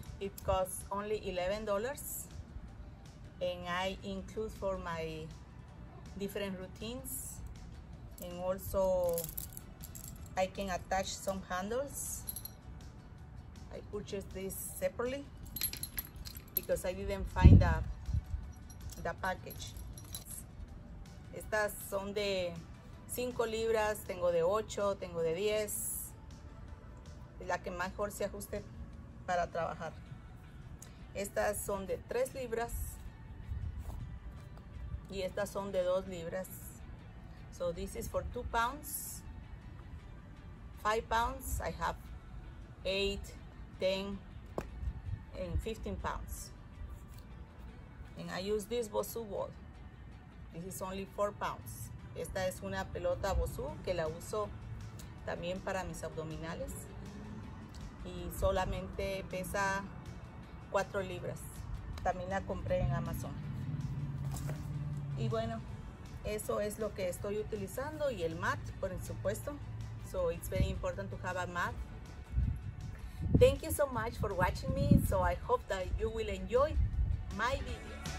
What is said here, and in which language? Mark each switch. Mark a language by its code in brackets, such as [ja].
[en] It costs only $11. And I include for my different routines. And also I can attach some handles. I purchased this separately because I didn't find a the package. [es] Estas son de 5 libras, tengo de 8, tengo de 10. Es la que mejor se ajuste para trabajar. Estas son de 3 libras y estas son de 2 libras. [en] So this is for 2 pounds, 5 pounds, I have 8, 10 and 15 pounds. And I use this Bosu ball. This is only 4 pounds. [es] Esta es una pelota Bosu que la uso también para mis abdominales. Y solamente pesa 4 libras. También la compré en Amazon. Y bueno, eso es lo que estoy utilizando. Y el mat, por supuesto. [en] So it's very important to have a mat. Thank you so much for watching me. So I hope that you will enjoy my video.